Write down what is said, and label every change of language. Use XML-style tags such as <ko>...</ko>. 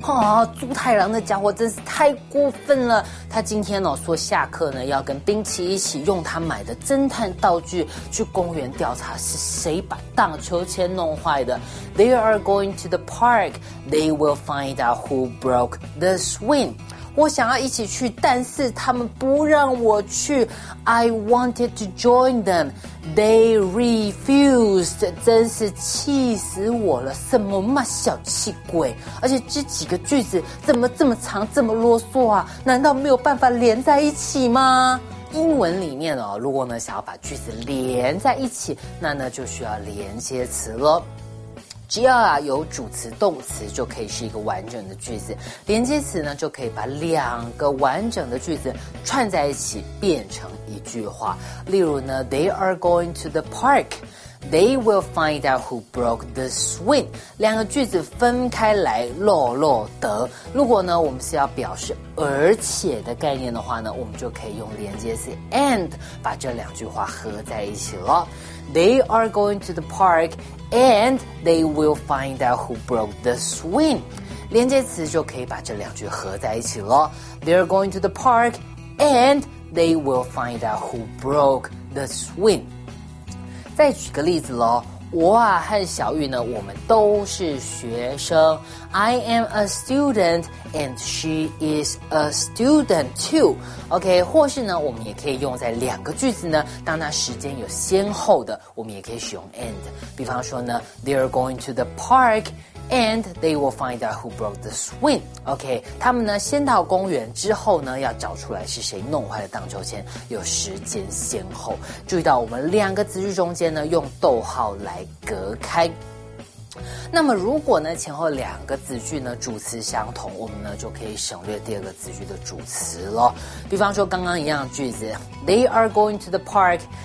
<zh>哇，猪太郎的家伙真是太过分了！他今天哦说下课呢要跟冰淇一起用他买的侦探道具去公园调查是谁把荡秋千弄坏的。</zh> <en>They are going to the park. They will find out who broke the swing.</en> <zh>我想要一起去，但是他们不让我去。</zh> <en>I wanted to join them. They refused,</en> <zh>真是气死我了，什么嘛小气鬼，而且这几个句子怎么这么长，这么啰嗦啊，难道没有办法连在一起吗？英文里面哦，如果呢想要把句子连在一起，那呢就需要连接词了。只要啊有主词动词就可以是一个完整的句子，连接词呢就可以把两个完整的句子串在一起变成一句话。例如呢</zh> <en>，They are going to the park. They will find out who broke the swing.</en> <zh>两个句子分开来，落落得。如果呢我们是要表示而且的概念的话呢，我们就可以用连接词 and 把这两句话合在一起了。</zh> <en>They are going to the park. And they will find out who broke the swing.</en> <zh>连接词就可以把这两句合在一起了。</zh> <en>They're going to the park, and they will find out who broke the swing.</en> <zh>再举个例子咯，我啊和小玉呢，我们都是学生。</zh> <en>I am a student, and she is a student too.</en> <zh>OK, 或是呢，我们也可以用在两个句子呢，当它时间有先后的，我们也可以使用 and。比方说呢</zh> <en>，They are going to the park, and they will find out who broke the swing.</en> <zh>OK, 他们呢先到公园之后呢，要找出来是谁弄坏了荡秋千，有时间先后。注意到我们两个词句中间呢，用逗号来隔开。那么如果呢前后两个子句呢主词相同我们呢就可以省略第二个子句的主词咯比方说刚刚一样的句子</zh> <en>They are going to the park</en>